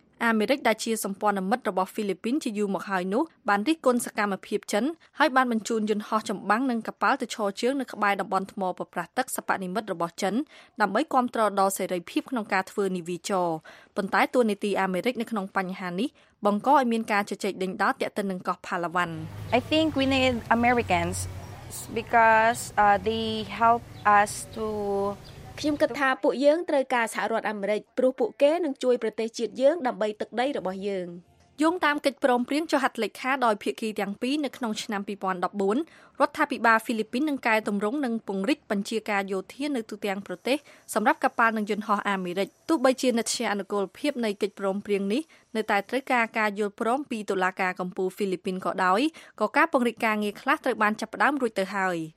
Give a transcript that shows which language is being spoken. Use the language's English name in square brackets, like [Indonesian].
[Khmer] អាមេរិកដែលជាសម្ព័ន្ធមិត្តរបស់ហ្វីលីពីនជាយូរមកហើយនោះបានរិះគន់សកម្មភាពចិនហើយបានបញ្ជូនយន្តហោះចម្បាំងនិងកប៉ាល់ទៅឈរជើងនៅក្បែរតំបន់ថ្មប្រប្រះទឹកសពនិមិត្តរបស់ចិនដើម្បីគាំទ្រដល់សេរីភាពក្នុងការធ្វើនីវីចរប៉ុន្តែតួនាទីអាមេរិកនៅក្នុងបញ្ហានេះបង្កឲ្យមានការជជែកដេញដោលទាក់ទងនឹងកោះផាឡាវ៉ាន់ [English] I think we need Americans because they help us to [Khmer] ខ្ញុំគិតថាពួកយើងត្រូវការសហរដ្ឋអាមេរិកព្រោះពួកគេនឹងជួយប្រទេសជាតិយើងដើម្បីទឹកដីរបស់យើង យោងតាមកិច្ចព្រមព្រៀងចុះហត្ថលេខាដោយភាគីទាំងពីរនៅក្នុងឆ្នាំ2014រដ្ឋាភិបាលហ្វីលីពីននឹងកែតម្រង់និងពង្រីកបញ្ជាការយោធានៅទូទាំងប្រទេសសម្រាប់កប៉ាល់និងយន្តហោះអាមេរិកទោះបីជានិច្ចអនុគមន៍ភាពនៃកិច្ចព្រមព្រៀងនេះនៅតែត្រូវការការយល់ព្រមពីតុលាការកំពូលហ្វីលីពីនក៏ដោយក៏ការពង្រីកការងារខ្លះត្រូវបានចាប់ផ្ដើមរួចទៅហើយ